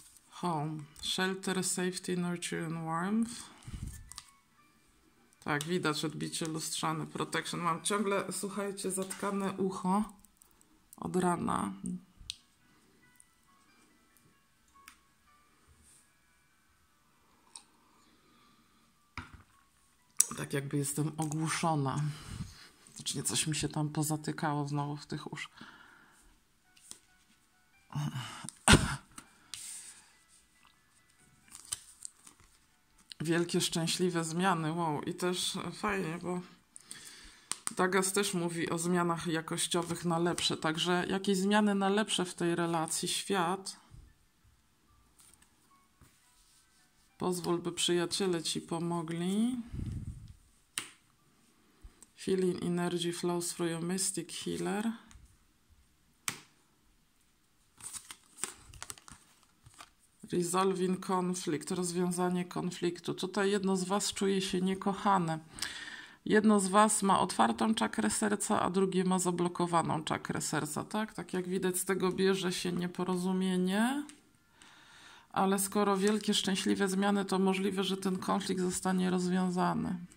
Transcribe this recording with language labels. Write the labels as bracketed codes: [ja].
[en] Home, shelter, safety, nurture and warmth. [pl] Tak, widać odbicie lustrzane, protection. Mam ciągle, słuchajcie, zatkane ucho. od rana. Tak jakby jestem ogłuszona. Znaczy nie, coś mi się tam pozatykało znowu w tych uszach. Wielkie, szczęśliwe zmiany. Wow, i też fajnie, bo Dagas też mówi o zmianach jakościowych na lepsze. Także jakieś zmiany na lepsze w tej relacji świat. Pozwól, by przyjaciele ci pomogli. [en] Feeling energy flows through your mystic healer. Resolving conflict, [pl] rozwiązanie konfliktu. Tutaj jedno z was czuje się niekochane. Jedno z was ma otwartą czakrę serca, a drugie ma zablokowaną czakrę serca, tak? Tak jak widać, z tego bierze się nieporozumienie. Ale skoro wielkie, szczęśliwe zmiany, to możliwe, że ten konflikt zostanie rozwiązany.